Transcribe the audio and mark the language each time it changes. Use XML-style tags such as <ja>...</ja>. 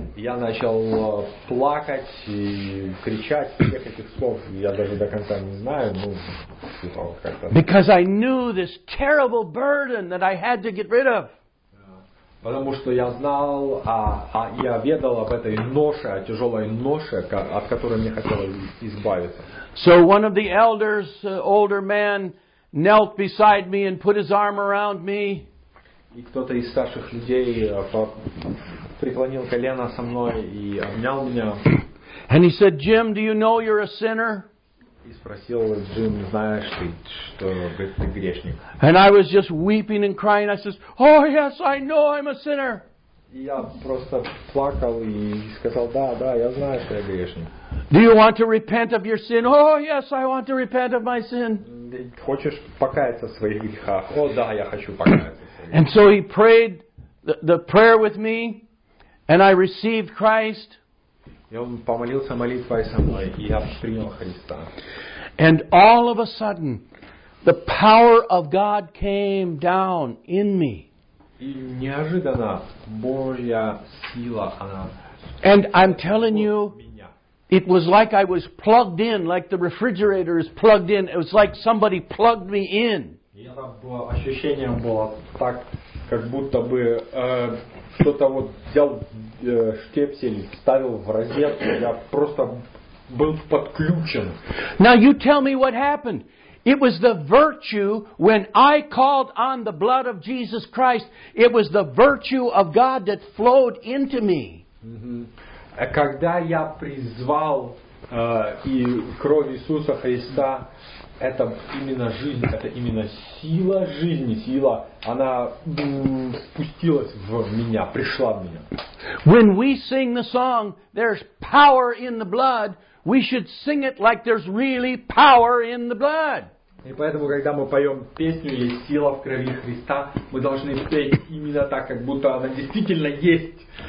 <ru>Я начал плакать и кричать всех этих слов. Я даже до конца не знаю, ну, типа как-то.</ru> <en>Because I knew this terrible burden that I had to get rid of.</en> <ru>Потому что я знал, я ведал об этой ноше, о тяжелой ноше, от которой мне хотелось избавиться.</ru> <en>So one of the elders, older man, knelt beside me and put his arm around me.</en> <ru>И кто-то из старших людей преклонил колено со мной и обнял меня.</ru> <en>And he said, "Jim, do you know you're a sinner?"</en> <ru>И спросил: "Джим, знаешь ты, что ты грешник?"</ru> <en>And I was just weeping and crying. I says, "Oh yes, I know I'm a sinner."</en> <ru>И я просто плакал и сказал: "Да, да, я знаю, что я грешник."</ru> <en>"Do you want to repent of your sin?" "Oh yes, I want to repent of my sin."</en> <ru>Хочешь покаяться в своих грехах? О, да, я хочу покаяться.</ru> <en>And so he prayed the prayer with me, and I received Christ.</en> <ru>И он помолился молитвой со мной, и я принял Христа.</ru> <en>And all of a sudden, the power of God came down in me.</en> <ru>И неожиданно Божья сила, она.</ru> <en>And I'm telling you, it was like I was plugged in, like the refrigerator is plugged in. It was like somebody plugged me in.</en> <ru>Ощущение было так, как будто бы кто-то вот взял штепсель, вставил в розетку. Я просто был подключен.</ru> <en>Now you tell me what happened. It was the virtue when I called on the blood of Jesus Christ. It was the virtue of God that flowed into me.</en> <ru>Когда я призвал и кровь Иисуса Христа, это именно жизнь, это именно сила жизни, сила, она спустилась в меня, пришла в меня.</ru> <en>When we sing the song, "There's power in the blood," we should sing it like there's really power in the blood.</en> <ru>И поэтому, когда мы поем песню «Есть сила в крови Христа», мы должны петь именно так, как будто она действительно есть.</ru>